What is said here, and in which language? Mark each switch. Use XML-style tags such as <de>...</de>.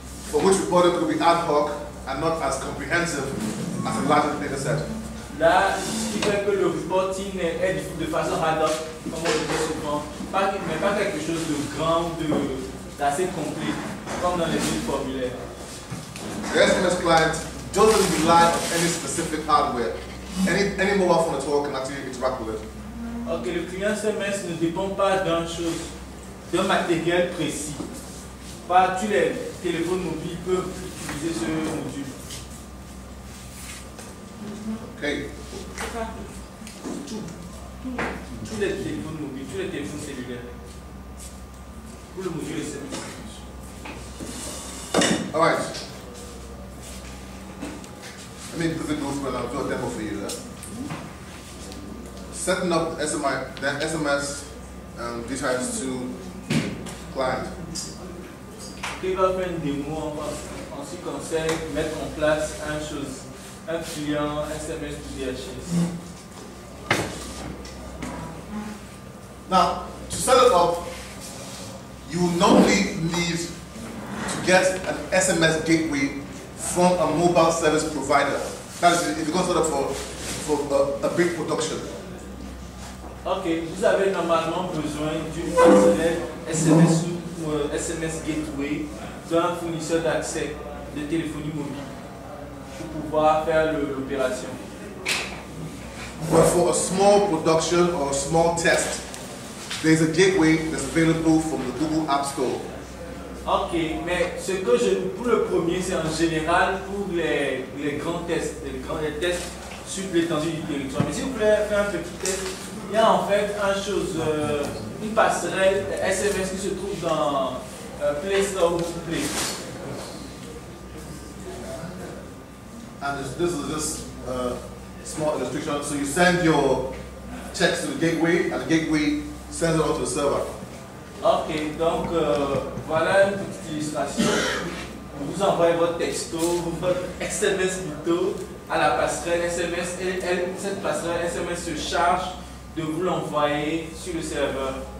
<en>For which we thought it could be ad hoc and not as comprehensive as a larger data set.</en> <fr>Là, ce qui fait que le reporting est de façon ad hoc, comme on le dit souvent, mais pas quelque chose de grand, d'assez complet, comme dans les autres formulaires.</fr> <en>The SMS client doesn't rely on any specific hardware. Any mobile phone at all can actually interact with it.</en> <fr>Okay, le client SMS ne dépend pas d'une chose, d'un matériel précis. Pas tous les téléphones mobiles peuvent utiliser ce module. Okay. Tous les téléphones mobiles, tous les téléphones cellulaires. Pour le module SMS. Alright.</fr> <en>Let me put the notes where I'll do a demo for you. Setting up the SMS DHIS to client.</en> <fr>Qui va faire une démo en ce qui concerne mettre en place une chose, un client SMS to DHIS.</fr> <en>Now, to set it up, you normally need to get an SMS gateway from a mobile service provider. That is, if you go set up for a big production.</en> <fr>Okay, vous avez normalement besoin d'une fonctionnelle SMS ou SMS gateway d'un fournisseur d'accès de téléphonie mobile pour pouvoir faire l'opération.</fr> <en>But for a small production or a small test, there's a gateway that's available from the Google App Store.</en> <fr>Ok, mais ce que je pour le premier, c'est en général pour les grands tests, les tests sur l'étendue du territoire. Mais si vous voulez faire un petit test, il y a en fait une chose, une passerelle SMS qui se trouve dans Play Store ou Google Play.</fr> <en>And this is just a small illustration. So you send your text to the gateway, and the gateway sends it on to the server.</en> <fr>Ok, donc voilà une petite illustration. Vous envoyez votre texto, votre SMS plutôt, à la passerelle SMS. Cette passerelle SMS se charge de vous l'envoyer sur le serveur.</fr>